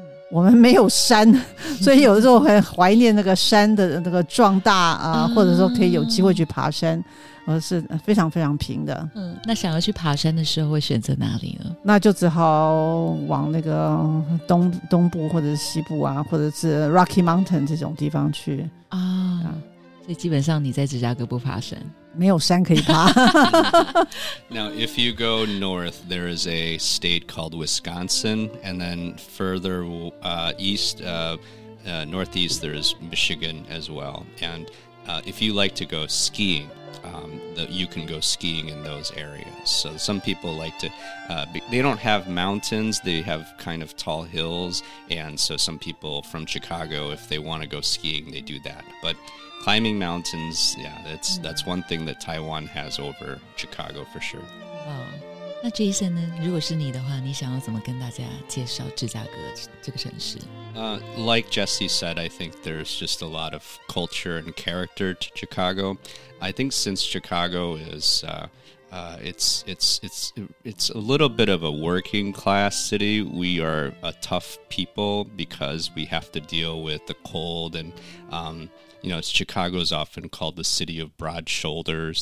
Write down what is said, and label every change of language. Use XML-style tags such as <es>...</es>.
<zh>我们没有山，所以有的时候很怀念那个山的那个壮大啊，或者说可以有机会去爬山，是非常非常平的。那想要去爬山的时候会选择哪里呢？那就只好往那个 东部或者是西部啊，或者是 Rocky Mountain 这种地方去啊。所以基本上你在芝加哥不爬山，没有山可以爬。</zh> <en>Now, if you go north, there is a state called Wisconsin, and then further east, northeast, there is Michigan as well. And if you like to go skiing, you can go skiing in those areas. So some people like to, they don't have mountains, they have kind of tall hills. And so some people from Chicago, if they want to go skiing, they do that. ButClimbing mountains, yeah, that's one thing that Taiwan has over Chicago for sure.</en> <zh>Wow. 那 Jason 呢？如果是你的话，你想要怎么跟大家介绍芝加哥这个城市？</zh> <en>Like Jesse said, I think there's just a lot of culture and character to Chicago. I think since Chicago is, it's a little bit of a working class city. We are a tough people because we have to deal with the cold and, you know, Chicago is often called the city of broad shoulders.</en>